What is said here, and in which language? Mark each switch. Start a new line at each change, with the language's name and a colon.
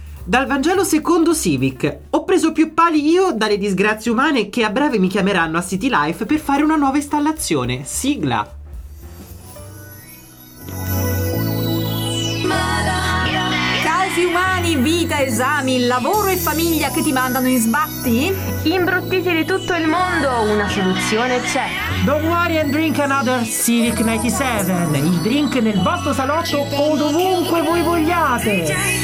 Italian: Dal Vangelo secondo Civic. Ho preso più pali io dalle disgrazie umane che a breve mi chiameranno a City Life per fare una nuova installazione. Sigla. Casi umani, vita, esami, lavoro e famiglia che ti mandano in sbatti? Imbruttiti di tutto il mondo, una soluzione c'è.
English: Don't worry and drink another Civic 97.
Italian: Il drink nel vostro salotto o dovunque voi vogliate.